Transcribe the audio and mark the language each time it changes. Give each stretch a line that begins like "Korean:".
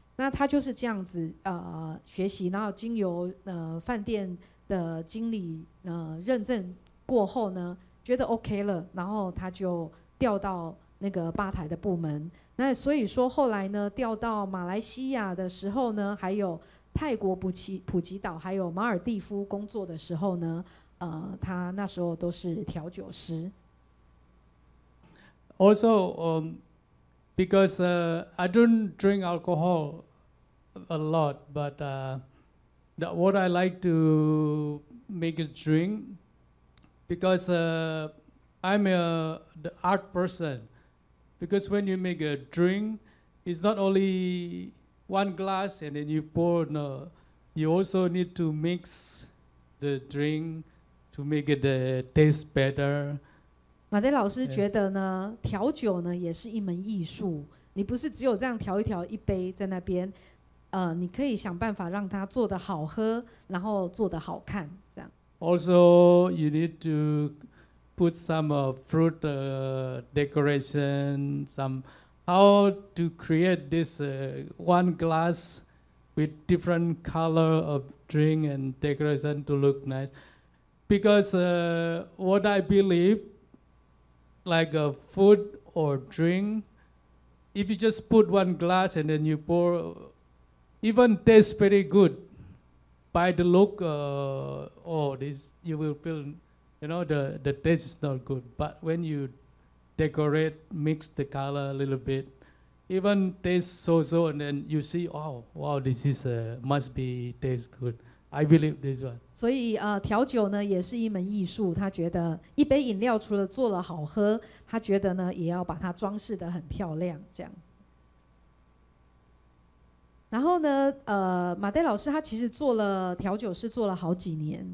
Chinese: 那他就是这样子学习，然后经由饭店的经理认证过后呢，觉得 OK 了，然后他就调到那个吧台的部门。那所以说后来呢，调到马来西亚的时候呢，还有泰国普吉岛，还有马尔蒂夫工作的时候呢。他那时候都是调酒师。
English: Also, because I don't drink alcohol a lot, but what I like to make is drink, because I'm the art person. Because when you make a drink, it's not only one glass and then you pour. No, you also need to mix the drink to make it taste better.
Chinese: 马德老师觉得呢，调酒呢也是一门艺术。你不是只有这样调一调一杯在那边，你可以想办法让它做得好喝，然后做得好看，这样。
English: Also, you need to put some fruit decoration. Some how to create this one glass with different color of drink and decoration to look nice? Because what I believe. Like a food or drink, if you just put one glass and then you pour, even tastes very good. By the look, this you will feel, you know, the taste is not good. But when you decorate, mix the color a little bit, even tastes so-so, and then you see, oh, wow, this is must be taste good. I believe this one.
Chinese: 所以调酒呢也是一门艺术。他觉得一杯饮料除了做了好喝，他觉得呢也要把它装饰得很漂亮，这样。然后呢，马代老师他其实做了调酒师做了好几年。